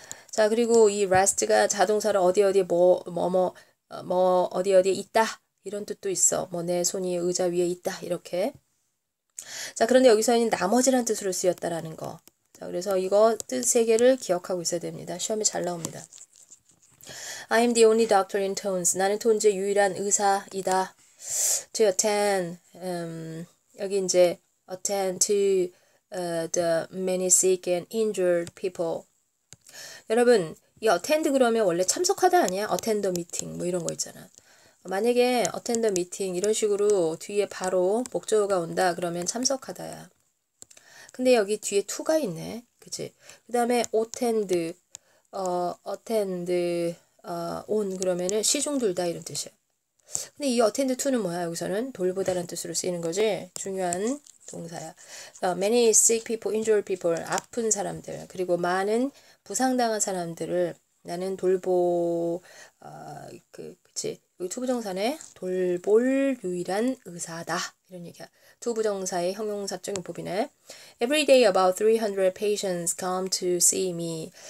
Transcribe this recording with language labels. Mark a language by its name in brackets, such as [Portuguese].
[Korean] 자, 그리고 이 rest가 자동사를 어디 어디 뭐, 뭐, 뭐, 뭐, 어디 어디 있다. 이런 뜻도 있어. 뭐, 내 손이 의자 위에 있다. 이렇게. 자, 그런데 여기서는 나머지란 뜻으로 쓰였다라는 거. 그래서 이거 뜻세 개를 기억하고 있어야 됩니다. 시험에 잘 나옵니다. [English] I am the only doctor in Tones. [Korean] 나는 톤즈의 유일한 의사이다. [English] To attend, [Korean] 여기 이제 [English] attend to the many sick and injured people. [Korean] 여러분, 이 attend 그러면 원래 참석하다 아니야? [English] Attend a meeting [Korean] 뭐 이런 거 있잖아. 만약에 [English] attend a meeting [Korean] 이런 식으로 뒤에 바로 목적어가 온다 그러면 참석하다야. 근데 여기 뒤에 to가 있네. 그치? 그 다음에 attend, on 그러면은 시중 둘다 이런 뜻이야. 근데 이 attend to는 뭐야? 여기서는 돌보다라는 뜻으로 쓰이는 거지. 중요한 동사야. [English] Many sick people, injured people, [Korean] 아픈 사람들, 그리고 많은 부상당한 사람들을 나는 돌보, 그치? 여기 to 부정사네. 돌볼 유일한 의사다. 이런 얘기야. 두 부정사의 형용사적인 법이네. [English] Every day about 300 patients come to see me.